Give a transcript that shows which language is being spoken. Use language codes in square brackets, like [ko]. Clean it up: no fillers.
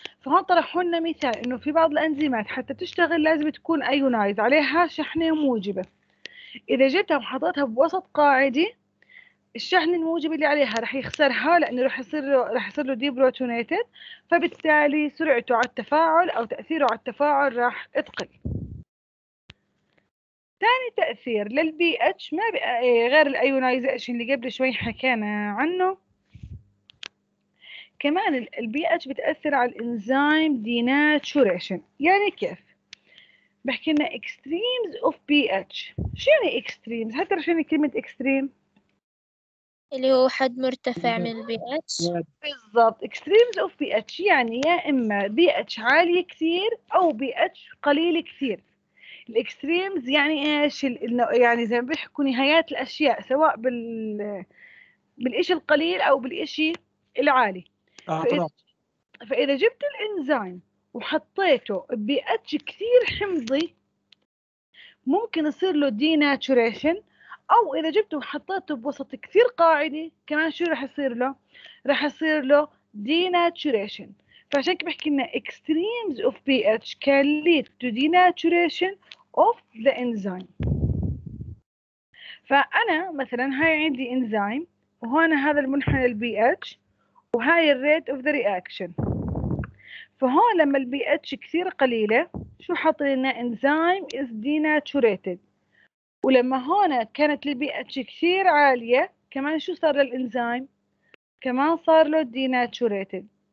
[ar] فهون طرحوا لنا مثال إنه في بعض الإنزيمات حتى تشتغل لازم تكون أيونايز عليها شحنة موجبة، إذا جتها وحطتها بوسط قاعدي الشحن الموجب اللي عليها رح يخسرها لأنه رح يصير له ديبروتونيتد، فبالتالي سرعته على التفاعل أو تأثيره على التفاعل رح يتقل. ثاني تأثير للبي اتش ما غير الأيونايزيشن اللي قبل شوي حكينا عنه، كمان البي اتش بتأثر على الإنزيم ديناتوريشن. يعني كيف؟ بحكي لنا [en] extremes of pH. [ar] شو يعني extremes؟ هل ترى شو يعني كلمة extreme؟ اللي هو حد مرتفع من الـ pH. بالضبط. [en] extremes of pH [ar] يعني يا إما pH عالي كثير أو pH قليل كثير. الاكستريمز يعني ايش؟ يعني زي ما بيحكوا نهايات الاشياء، سواء بالإشي القليل او بالإشي العالي. فاذا جبت الانزيم وحطيته بي اتش كثير حمضي ممكن يصير له دي ناتوريشن، او اذا جبته وحطيته بوسط كثير قاعدي كمان شو راح يصير له؟ راح يصير له دي ناتوريشن. فعشان كده بحكي لنا [en] extremes of pH can lead to denaturation of the enzyme. [ar] فأنا مثلاً هاي عندي إنزيم وهنا هذا المنحنى الـ pH وهاي الـ [en] rate of the reaction. [ar] فهون لما الـ pH كثير قليلة شو حط لنا؟ إنزيم is denaturated. ولما هون كانت الـ pH كثير عالية كمان شو صار للإنزيم؟ كمان صار له denaturated.